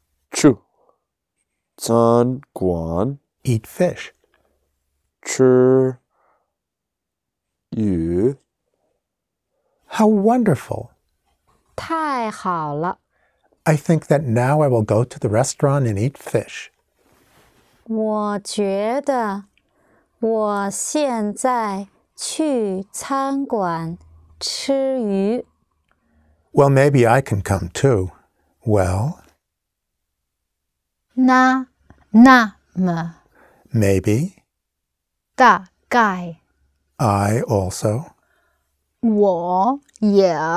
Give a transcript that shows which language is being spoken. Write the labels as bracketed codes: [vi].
[zh] 去餐馆。 [en] Eat fish. [zh] 吃。鱼 [en] How wonderful. [zh] 太好了。 [en] I think that now I will go to the restaurant and eat fish. [zh] 我觉得我现在去餐馆吃鱼。 [en] Well, maybe I can come too. Well? [zh] 那么。 [en] Maybe? [zh] 大概。 [en] I also. [zh] 我也